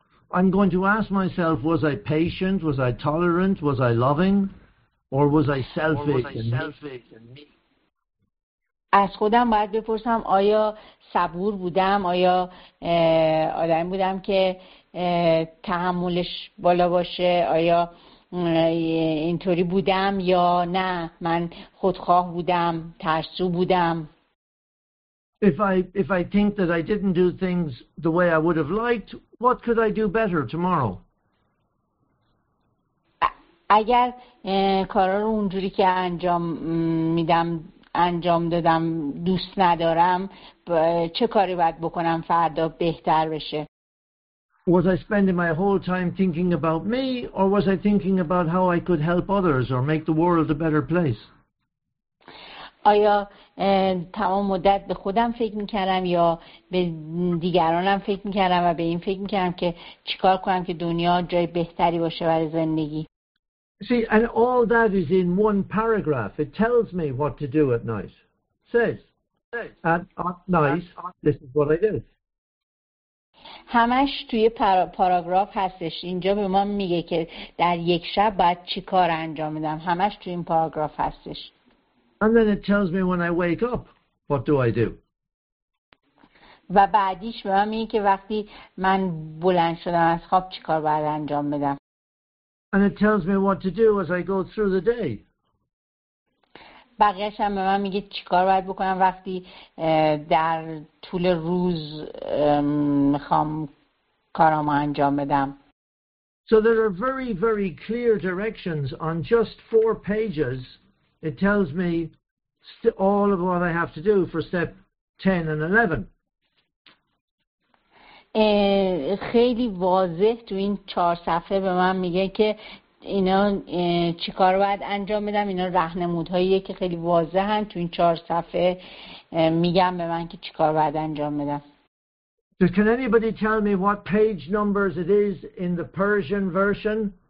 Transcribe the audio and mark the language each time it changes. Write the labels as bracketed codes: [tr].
[en] I'm going to ask myself was I patient, was I tolerant, was I loving or was I selfish and me? [fa] از خودم باید بپرسم آیا صبور بودم، آیا آدم بودم که تحملش بالا باشه، آیا اینطوری بودم یا نه من خودخواه بودم، ترسو بودم. [en] If I think that I didn't do things the way I would have liked, what could I do better tomorrow? [fa] اگر کارا رو اونجوری که انجام میدم انجام دادم دوست ندارم چه کاری باید بکنم فردا بهتر بشه؟ [en] Was I spending my whole time thinking about me or was I thinking about how I could help others or make the world a better place? [fa] آیا تمام مدت به خودم فکر می‌کردم یا به دیگرانم فکر می‌کردم و به این فکر می‌کردم که چیکار کنم که دنیا جای بهتری باشه برای زندگی؟ [en] See, and all that is in one paragraph. It tells me what to do at night. Says, at night, this is what I do. [fa] همش توی پاراگراف هستش. اینجا به ما میگه که در یک شب باید چی کار انجام بدم. همش توی این پاراگراف هستش. [en] And then it tells me when I wake up, what do I do? [fa] و بعدیش به ما میگه که وقتی من بلند شدم از خواب چی کار باید انجام بدم. [en] And it tells me what to do as I go through the day. [fa] بقیهش هم به من میگه چی کار باید بکنم وقتی در طول روز میخوام کارامو انجام بدم. [en] So there are very, very clear directions on just four pages. It tells me all of what I have to do for step 10 and 11. [fa] خیلی واضح تو این چهار صفحه به من میگه که اینا چی کار باید انجام بدم. اینا راهنمودهاییه که خیلی واضح هم تو این چهار صفحه میگم به من که چی کار باید انجام بدم. [en] Can anybody tell me what page numbers it is in the Persian version?